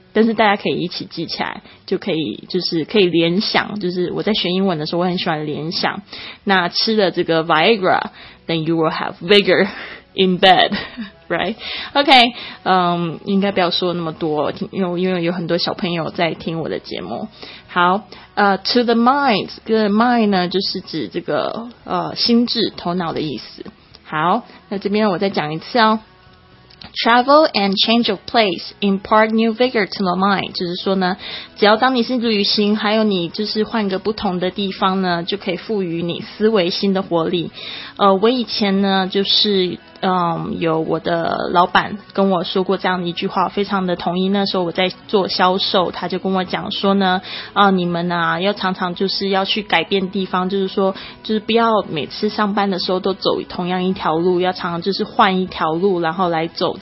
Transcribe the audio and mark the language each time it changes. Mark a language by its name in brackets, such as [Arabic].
[Chinese] 但是大家可以一起记起来，就可以就是可以联想，就是我在学英文的时候我很喜欢联想，那吃了这个 Viagra, [English] then you will have vigor in bed, right? [Chinese] OK, 应该不要说那么多，因为有很多小朋友在听我的节目。好，to the mind, 这个 mind 呢就是指这个心智头脑的意思。好，那这边我再讲一次哦。 [English] Travel and change of place impart new vigor to the mind. [Chinese] 就是说呢，只要当你是旅行，还有你就是换个不同的地方呢，就可以赋予你思维新的活力。我以前呢，就是有我的老板跟我说过这样的一句话，非常的同意。那时候我在做销售，他就跟我讲说呢，你们啊，要常常就是要去改变地方，就是说，就是不要每次上班的时候都走同样一条路，要常常就是换一条路，然后来走。